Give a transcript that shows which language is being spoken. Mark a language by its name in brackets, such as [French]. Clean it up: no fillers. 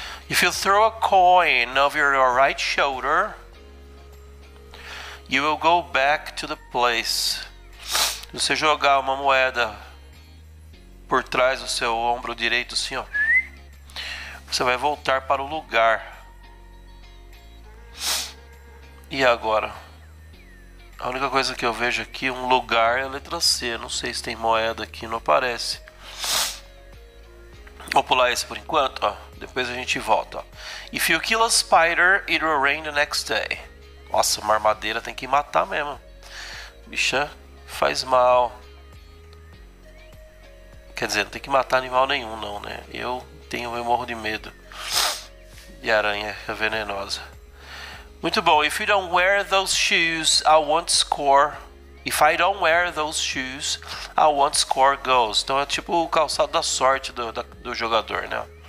[English] If you throw a coin over your right shoulder, you will go back to the place. [Portuguese] Se você jogar uma moeda por trás do seu ombro direito, assim ó, você vai voltar para o lugar. E agora? A única coisa que eu vejo aqui, um lugar, é a letra C. Não sei se tem moeda aqui, não aparece. Vou pular esse por enquanto, ó. Depois a gente volta, ó. [English] If you kill a spider, it will rain the next day. [Portuguese] Nossa, uma armadeira tem que matar mesmo. Bicha, faz mal. Quer dizer, não tem que matar animal nenhum, não, né? Eu morro de medo de aranha, que é venenosa. Muito bom. [English] If you don't wear those shoes, I won't score. If I don't wear those shoes, I won't score goals. [Portuguese] Então é tipo o calçado da sorte do jogador, né?